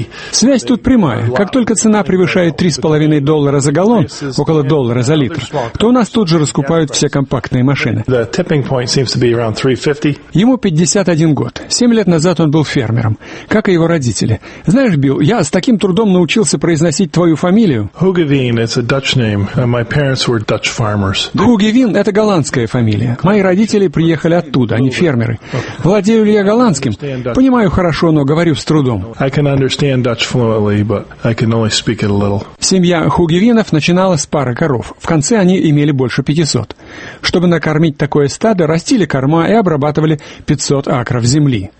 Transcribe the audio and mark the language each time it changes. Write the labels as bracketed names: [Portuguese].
[Russian] Связь тут прямая. Как только цена превышает 3,5 доллара за галлон, около доллара за литр, то у нас тут же раскупают все компактные машины. Ему 51 год. 7 лет назад он был фермером, как и его родители. Знаешь, Билл, я с таким трудом научился произносить твою фамилию. [English] Hoogeveen is a Dutch name. My parents were Dutch farmers. [Russian] Hoogeveen – это голландская фамилия. Мои родители приехали оттуда, они фермеры. Владею ли я голландским? Понимаю хорошо, но говорю с трудом. Семья Хугевинов начинала с пары коров. В конце они имели больше 500. Чтобы накормить такое стадо, растили корма и обрабатывали 500 акров земли.